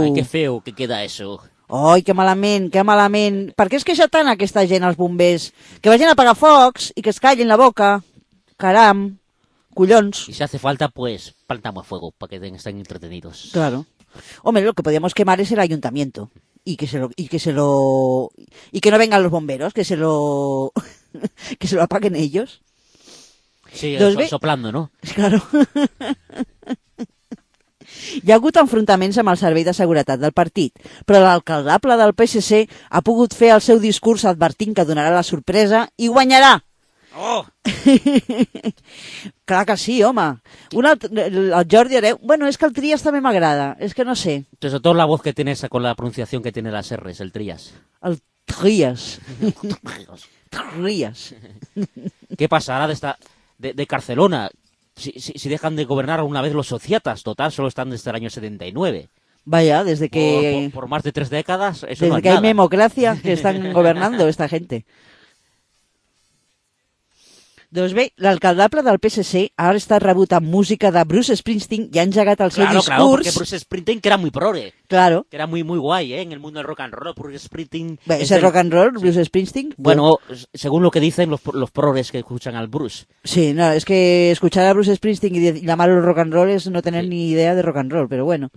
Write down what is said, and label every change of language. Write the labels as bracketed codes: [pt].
[ca] Ai, que feu, que queda això. Ai, que malament, que malament. Per què es queixa tant aquesta gent, els bombers? Que vagin a apagar focs i que es callin la boca. Caram, collons. [es] I si hace falta, pues, plantamos fuego, [ca] perquè estan [es] entretenidos. Claro. Home, lo que podríamos quemar es el ayuntamiento. Y que no vengan los bomberos, que se lo apaguen ellos. Sí, soplando, ¿no? Claro. [ca] Hi ha hagut enfrontaments amb el servei de seguretat del partit, però l'alcaldable del PSC ha pogut fer el seu discurs advertint que donarà la sorpresa i guanyarà. Oh! Clar que sí, home. El Jordi Hereu... Bueno, és que el Trias també m'agrada. És que no sé. Però sobretot [es] la voz que tenés con la pronunciación que tiene las R's, el Trias. El Trias. Trias. [ca] Què passarà de Barcelona? [es] Si dejan de gobernar alguna vez los societas, total, solo están desde el año 79. Vaya, desde que... Por más de tres décadas, eso desde no es que nada. Hay democracia que están gobernando esta gente. [ca] Doncs bé, l'alcaldable del PSC ha estat rebut amb música de Bruce Springsteen i ha engegat el seu discurs... [es] Claro, porque Bruce Springsteen, que era muy progre. Claro. Que era muy, muy guay, ¿eh? En el mundo del rock and roll, Bruce Springsteen... Bé, ese rock and roll, sí. Bruce Springsteen... Bueno, según lo que dicen los progres que escuchan al Bruce. Sí, no, es que escuchar a Bruce Springsteen y llamarlo rock and roll es no tener ni idea de rock and roll, pero bueno.